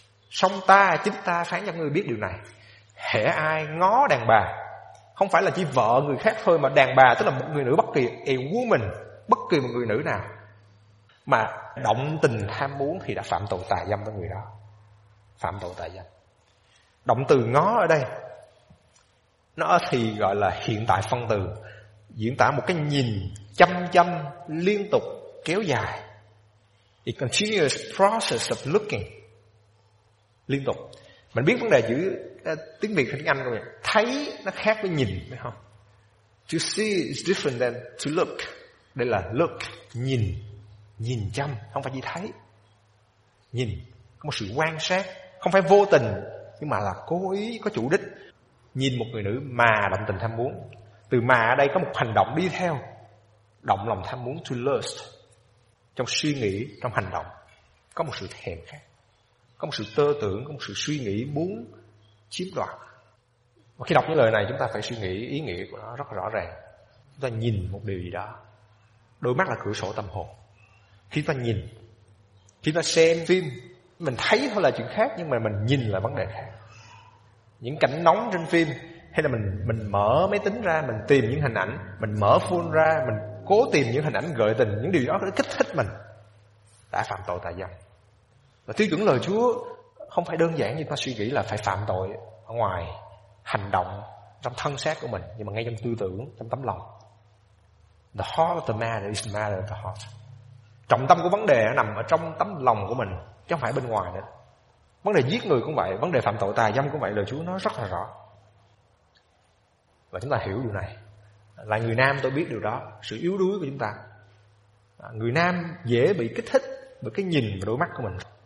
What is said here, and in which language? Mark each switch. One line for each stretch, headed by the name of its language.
Vietnamese: Xong ta, chính ta phán cho người biết điều này. Hễ ai ngó đàn bà, không phải là chỉ vợ người khác thôi, mà đàn bà tức là một người nữ bất kỳ,
English: a woman,
Vietnamese: bất kỳ một người nữ nào mà động tình ham muốn thì đã phạm tội tà dâm với người đó. Phạm tội tà dâm. Động từ ngó ở đây nó thì gọi là hiện tại phân từ, diễn tả một cái nhìn chăm chăm liên tục kéo dài.
English: A continuous process of looking.
Vietnamese: Liên tục. Mình biết vấn đề chữ tiếng Việt hay tiếng Anh không nhỉ? Thấy nó khác với nhìn, phải không?
English: To see is different than to look.
Vietnamese: Đây là look, nhìn, nhìn chăm, không phải chỉ thấy. Nhìn, có một sự quan sát, không phải vô tình, nhưng mà là cố ý, có chủ đích. Nhìn một người nữ mà động tình tham muốn. Từ mà ở đây có một hành động đi theo, động lòng tham muốn,
English: to lust.
Vietnamese: Trong suy nghĩ, trong hành động, có một sự thèm khát, có một sự tơ tưởng, có một sự suy nghĩ muốn chiếm đoạt. Và khi đọc những lời này chúng ta phải suy nghĩ ý nghĩa của nó rất rõ ràng. Chúng ta nhìn một điều gì đó. Đôi mắt là cửa sổ tâm hồn. Khi ta nhìn, khi ta xem phim, mình thấy thôi là chuyện khác, nhưng mà mình nhìn là vấn đề khác. Những cảnh nóng trên phim, hay là mình mở máy tính ra, mình tìm những hình ảnh, mình mở phone ra, mình cố tìm những hình ảnh gợi tình, những điều đó để kích thích mình, đã phạm tội tà dâm. Và tiêu chuẩn lời Chúa không phải đơn giản như ta suy nghĩ là phải phạm tội ở ngoài hành động, trong thân xác của mình, nhưng mà ngay trong tư tưởng, trong tấm lòng.
English: The heart of the matter is the matter of the heart.
Vietnamese: Trọng tâm của vấn đề nằm ở trong tấm lòng của mình, chứ không phải bên ngoài nữa. Vấn đề giết người cũng vậy, vấn đề phạm tội tà dâm cũng vậy, lời Chúa nói rất là rõ. Và chúng ta hiểu điều này. Là người nam tôi biết điều đó, sự yếu đuối của chúng ta. Người nam dễ bị kích thích bởi cái nhìn và đôi mắt của mình.